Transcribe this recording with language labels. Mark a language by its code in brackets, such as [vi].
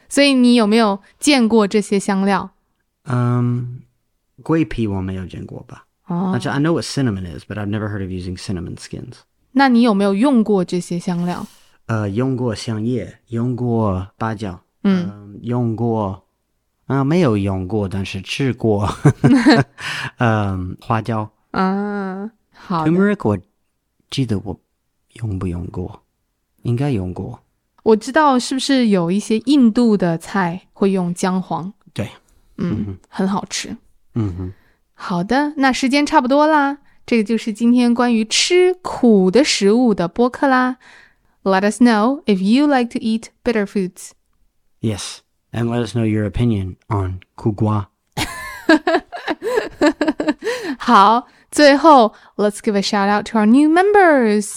[zh] 所以你有没有见过这些香料？桂皮我没有见过吧。哦、 [en] Actually, I know what cinnamon is, but I've never heard of using cinnamon skins. [zh] 那你有没有用过这些香料？用过香叶，用过八角，嗯，用过，没有用过，但是吃过，花椒，啊。好 Turmeric, 我记得我用不用过，应该用过。我知道是不是有一些印度的菜会用姜黄。对，嗯，嗯很好吃。嗯哼，好的，那时间差不多啦，这个就是今天关于吃苦的食物的播客啦。 [en] Let us know if you like to eat bitter foods. Yes, and let us know your opinion on 苦瓜。 [zh] 好。 [en] 最后, let's give a shout out to our new members.